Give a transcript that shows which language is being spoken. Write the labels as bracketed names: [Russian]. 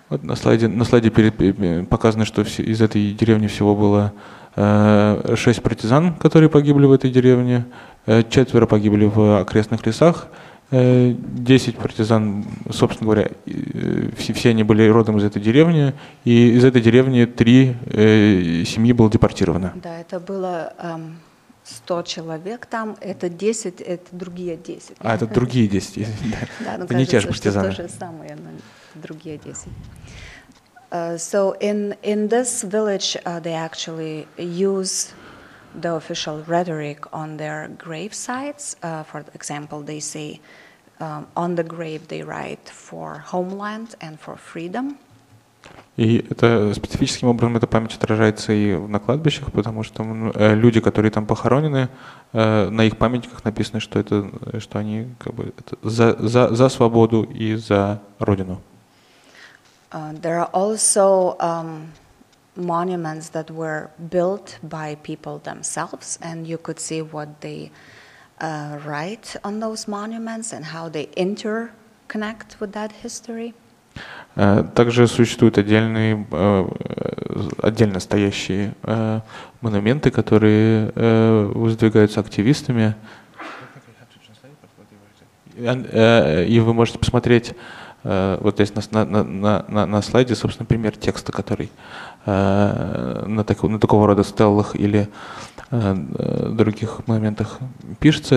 [Russian] Вот на слайде показано, что из этой деревни всего было 6 партизан, которые погибли в этой деревне, 4 погибли в окрестных лесах, 10 партизан, собственно говоря, все они были родом из этой деревни, и из этой деревни 3 семьи было депортировано. Да, это было... 100 человек там, это 10, это другие 10. А, это другие 10. Да, ну кажется, что это то же самое, но другие 10. [English] So in this village they actually use the official rhetoric on their grave sites. For example, they say on the grave they write for homeland and for freedom. [Russian] И это специфическим образом эта память отражается и на кладбищах, потому что люди, которые там похоронены, на их памятниках написано, что это, что они как бы за свободу и за родину. [English] There are also monuments that were built by people themselves, and you could see what they write on those monuments and how they interconnect with that history. [Russian] Также существуют отдельно стоящие монументы, которые воздвигаются активистами. И вы можете посмотреть вот здесь на слайде, собственно, пример текста, который на такого рода стеллах или других моментах пишется.